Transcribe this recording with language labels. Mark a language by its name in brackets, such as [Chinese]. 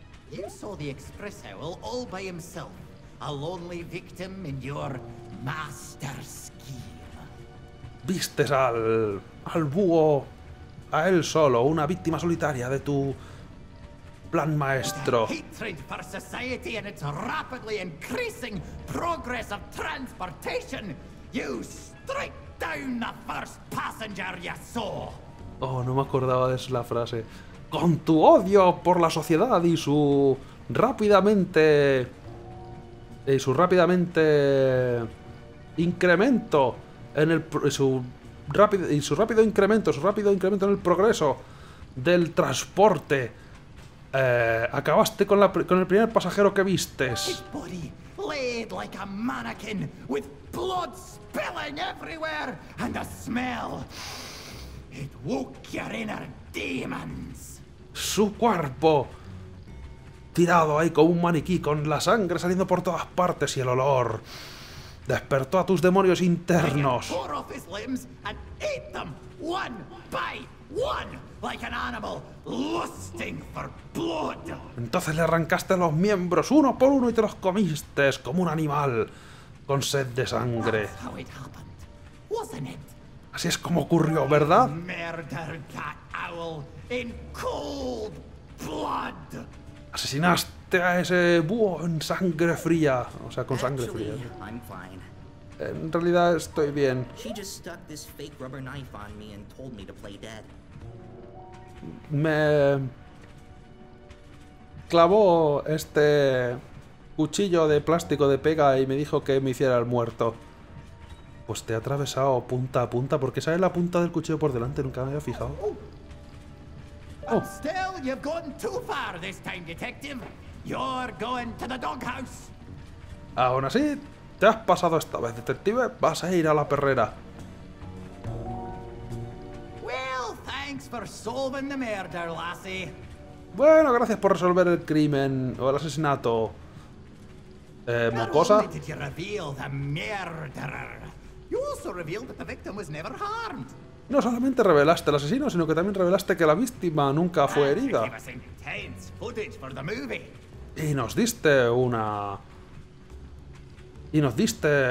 [English] You saw the Express Owl all by himself, a lonely victim in your master scheme. [Spanish] Vistes al búho, a él solo, una víctima solitaria de tu plan maestro. [English] The hatred for society and its rapidly increasing progress of transportation. You strike down the first passenger you saw. [Spanish] Oh, no me acordaba de esa frase. Con tu odio por la sociedad y su rápidamente incremento en el su rápido incremento en el progreso del transporte, acabaste con el primer pasajero que vistes. [English] His body laid like a mannequin with blood spilling everywhere and a smell. It woke your inner demons. [Spanish] Su cuerpo tirado ahí como un maniquí, con la sangre saliendo por todas partes y el olor despertó a tus demonios internos. [English] Tore off his limbs and ate them one by one like an animal lusting for blood. [Spanish] Entonces le arrancaste los miembros uno por uno y te los comiste como un animal con sed de sangre. [English] That's how it happened, wasn't it? [Spanish] Así es como ocurrió, ¿verdad? [English] Murder that owl in cold blood. [Spanish] Asesinaste a ese búho en sangre fría, o sea, con sangre fría. En realidad estoy bien. [English] She just stuck this fake rubber knife on me and told me to play dead. [Spanish] Me clavó este cuchillo de plástico de pega y me dijo que me hiciera el muerto. Pues te ha atravesado punta a punta, porque sabes la punta del cuchillo por delante, nunca me había fijado. [English] Oh. Still, you've gone too far this time, detective. You're going to the doghouse. [Spanish] Aún así, te has pasado esta vez, detective. Vas a ir a la perrera. [English] Well, thanks for solving the murder, lassie. [Spanish] Bueno, gracias por resolver el crimen o el asesinato. Mocosa. [English] Not only did you reveal the murderer, you also revealed that the victim was never harmed. [Spanish] No solamente revelaste al asesino, sino que también revelaste que la víctima nunca fue herida. Y nos diste una... Y nos diste...